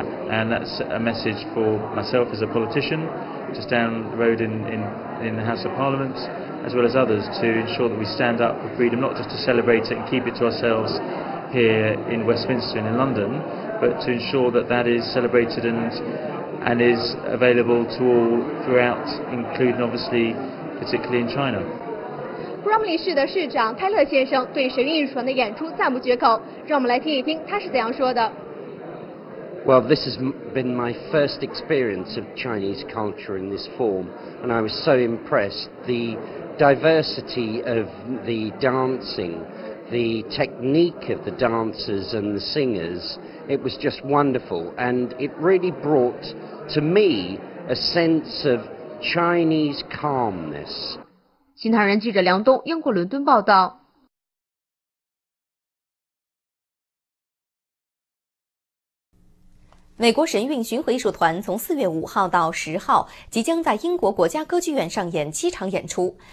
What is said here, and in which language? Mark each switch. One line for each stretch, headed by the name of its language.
English: And that's a message for myself as a politician, just down the road in the House of Parliament, as well as others, to ensure that we stand up for freedom, not just to celebrate it and keep it to ourselves here in Westminster and in London, but to ensure that that is celebrated and is available to all throughout, including obviously... particularly in China.
Chinese: Bromley 市的市长泰勒先生对神韵艺术团的演出赞不绝口，让我们来听一听他是怎样说的。
English: Well, this has been my first experience of Chinese culture in this form, and I was so impressed. The diversity of the dancing, the technique of the dancers and the singers, it was just wonderful, and it really brought to me a sense of. Chinese calmness.
Chinese: 新唐人记者梁东，英国伦敦报道。美国神韵巡回艺术团从4月5号到10号即将在英国国家歌剧院上演7场演出。